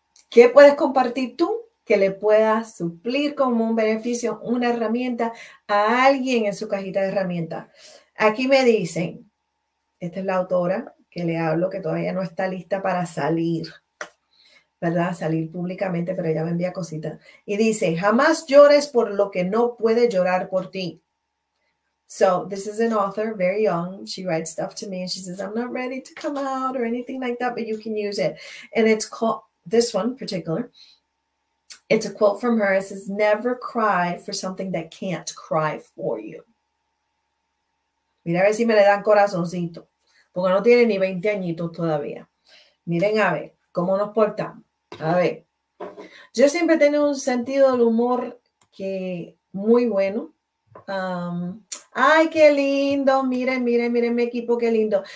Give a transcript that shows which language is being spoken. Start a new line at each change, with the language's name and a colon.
Spanish: ¿Qué puedes compartir tú que le pueda suplir como un beneficio, una herramienta a alguien en su cajita de herramientas? Aquí me dicen, esta es la autora que le hablo, que todavía no está lista para salir, ¿verdad? Salir públicamente, pero ella me envía cositas. Y dice, jamás llores por lo que no puede llorar por ti.
English: So, this is an author, very young. She writes stuff to me and she says, I'm not ready to come out or anything like that, but you can use it. And it's called, this one in particular, it's a quote from her. It says, never cry for something that can't cry for you.
Spanish: Mira a ver si me le dan corazoncito, porque no tiene ni 20 añitos todavía. Miren a ver cómo nos portamos. A ver, yo siempre tengo un sentido del humor que muy bueno. Ay, qué lindo. Miren, miren, miren, mi equipo, qué lindo.